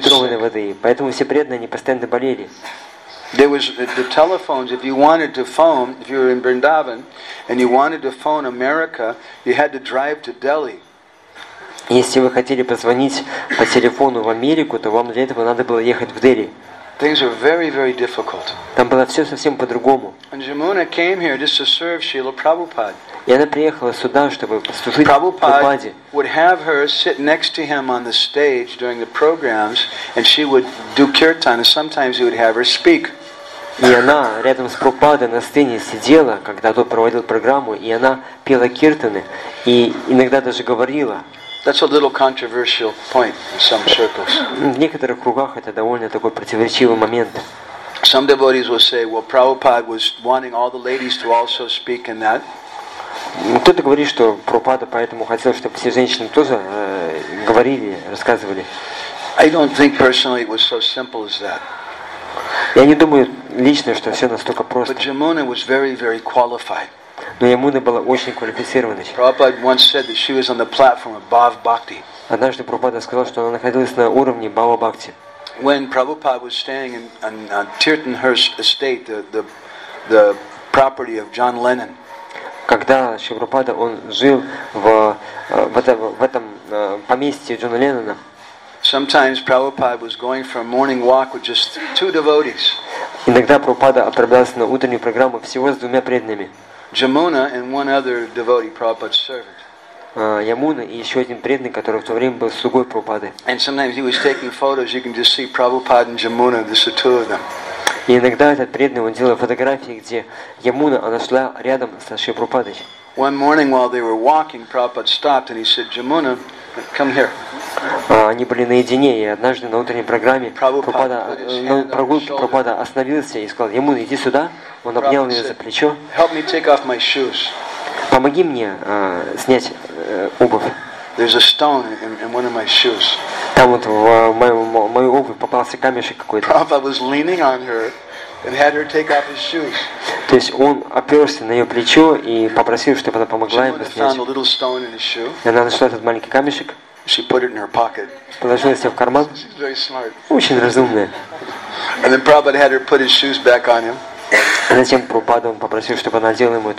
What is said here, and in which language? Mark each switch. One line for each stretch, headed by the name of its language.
Russian: filtrованной воды, поэтому все преданные они постоянно болели.
English: There was the telephones. If you wanted to phone, if you were in Vrindavan and you wanted to phone America, you had to drive to Delhi.
Russian: Если вы хотели позвонить по телефону в Америку, то вам для этого надо было ехать в Дели.
English: Things were very, very difficult.
Russian: Там было все совсем по-другому.
English: And Jamuna came here just to serve Srila Prabhupada.
Russian: И она приехала сюда, чтобы служить Прабхупаде.
English: Would have her sit next to him on the stage during the programs, and she would do kirtan. And sometimes he would have her speak.
Russian: И она рядом с Прабхупадой на сцене сидела, когда тот проводил программу, и она пела киртаны и иногда даже говорила.
English: That's a little controversial point in some circles.
Russian: В некоторых кругах это довольно такой противоречивый момент.
English: Some devotees will say, "Well, Prabhupada was wanting all the ladies to also speak in that."
Russian: Кто-то говорит, что Прабхупада поэтому хотел, чтобы все женщины тоже говорили, рассказывали.
English: I don't think personally it was so simple as that.
Russian: Я не думаю лично, что все настолько просто.
English: But Jamuna was very, very qualified.
Russian: Но Ямуна была очень квалифицированной.
English: Prabhupada once said that she was on the platform of Bhava Bhakti.
Russian: Однажды Прабхупада сказал, что она находилась на уровне Бхава Бхакти.
English: When Prabhupada was staying in Tirthankar's estate, the property of John Lennon.
Russian: Когда Шрила Прабхупада он жил в этом поместье Джона Леннона.
English: Sometimes Prabhupada was going for a morning walk with just two devotees.
Russian: Иногда Прабхупада отправлялся на утреннюю программу всего с двумя преданными.
English: Jamuna and one other devotee, Prabhupada's servant.
Russian: Ямуна и еще один преданный, который в то время был слугой Прабхупады.
English: And sometimes he was taking photos. You can just see Prabhupada and Jamuna, the two of them.
Russian: И иногда этот преданный, он делал фотографии, где Ямуна, она шла рядом с Шрилой Прабхупадой.
English: One morning while they were walking, Prabhupada stopped and he said, "Jamuna, come here."
Russian: Они были наедине, и однажды на утренней программе Прабхупада остановился и сказал, "Ямуна, иди сюда." Он обнял ее за плечо.
English: "Help me take off my shoes."
Russian: Помоги мне снять обувь.
English: There's a stone in one of my shoes.
Russian: Там вот в мою обувь попался камешек какой-то.
English: Prabhupada was leaning on her and had her take off his shoes.
Russian: То есть он оперся на ее плечо и попросил, чтобы она помогла ему снять.
English: She found a little stone in his shoe.
Russian: И она нашла этот маленький камешек.
English: She put it in her pocket.
Russian: Положила себе в карман.
English: She's very smart.
Russian: Очень разумная.
English: And then Prabhupada had her put his shoes back on him.
Russian: А затем Прабхупада попросил, чтобы она сделала ему эту